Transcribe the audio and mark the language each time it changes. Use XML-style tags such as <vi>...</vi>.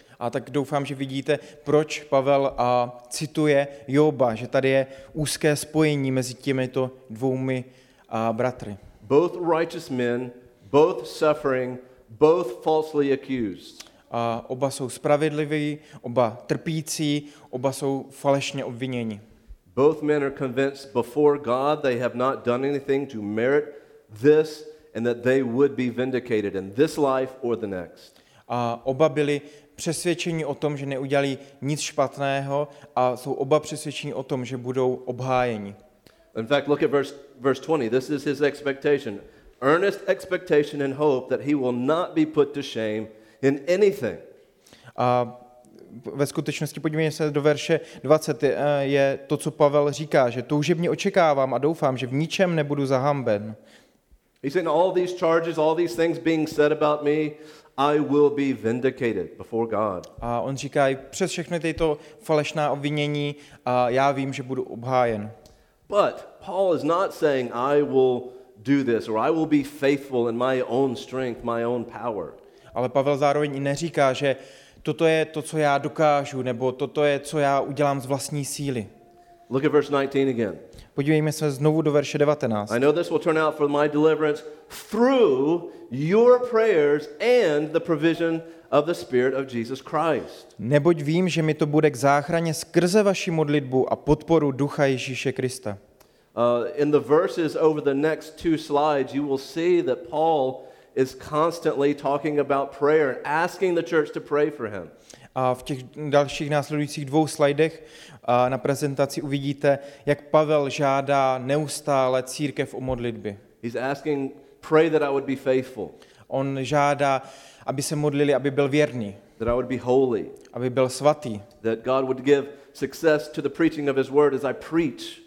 <cs>A tak doufám, že vidíte, proč Pavel cituje Joba, že tady je úzké spojení mezi těmito dvoumi bratry.</cs> <en>Both righteous men, both suffering, both falsely accused.</en> <cs>A oba jsou spravedliví, oba trpící, oba jsou falešně obviněni.</cs> <en>Both men are convinced before God they have not done anything to merit this and that they would be vindicated in this life or the next.</en> <cs>A oba byli přesvědčeni o tom, že neudělali nic špatného a jsou oba přesvědčeni o tom, že budou obhájeni.</cs> <en>In fact, look at verse 20. This is his expectation. Earnest expectation and hope that he will not be put to shame in anything.</en> <cs>A ve skutečnosti podívejme se do verše 20, je to, co Pavel říká, že toužebně očekávám a doufám, že v ničem nebudu zahamben.</cs> <en>He said all these charges, all these things being said about me, I will be vindicated before God.</en> <cs>A on říká, přes všechny tyto falešná obvinění, a já vím, že budu obhájen.</cs> <en>But Paul is not saying I will do this or I will be faithful in my own strength, my own power.</en> <cs>Ale Pavel zároveň i neříká, že toto je to, co já dokážu, nebo toto je, co já udělám z vlastní síly.</cs> <en>Look at verse 19 again.</en> <cs>Podívejme se znovu do verše 19.</cs> <en>I know this will turn out for my deliverance through your prayers and the provision of the Spirit of Jesus Christ.</en> <cs>Neboť vím, že mi to bude k záchraně skrze vaši modlitbu a podporu Ducha Ježíše Krista.</cs> <en>In the verses over the next two slides, you will see that Paul is constantly talking about prayer and asking the church to pray for him.</en> <cs>A v těch dalších následujících dvou slajdech na prezentaci uvidíte, jak Pavel žádá neustále církev o modlitby.</cs> <en>He's asking, pray that I would be faithful.</en> <cs>On žádá, aby se modlili, aby byl věrný.</cs> <en>That I would be holy.</en> <cs>Aby byl svatý.</cs> <en>That God would give success to the preaching of his word as I preach.</en>